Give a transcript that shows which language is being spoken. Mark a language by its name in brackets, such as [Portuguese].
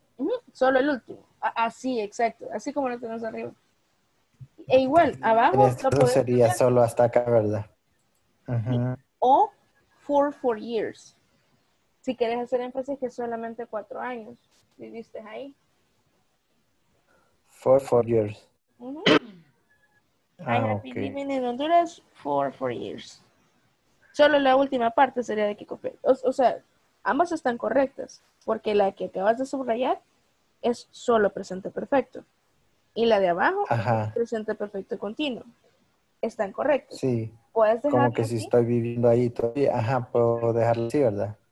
[Spanish] Uh-huh. Solo el último. Así, exacto. Así como lo tenemos arriba. E igual, abajo... Esto sería cambiar. Solo hasta acá, ¿verdad? [English] Uh-huh. O for 4 years. [Spanish] Si quieres hacer énfasis que solamente 4 años viviste ahí. [English] For 4 years. Uh-huh. I have been living in Honduras for 4 years. [Spanish] Solo la última parte sería de que copié. O sea, ambas están correctas. Porque la que acabas de subrayar es solo presente perfecto. Y la de abajo, ajá, presente perfecto continuo. Están correctas. Sí. Puedes dejarla. Como que si estoy viviendo ahí todavía. Ajá, puedo dejarla así, ¿verdad?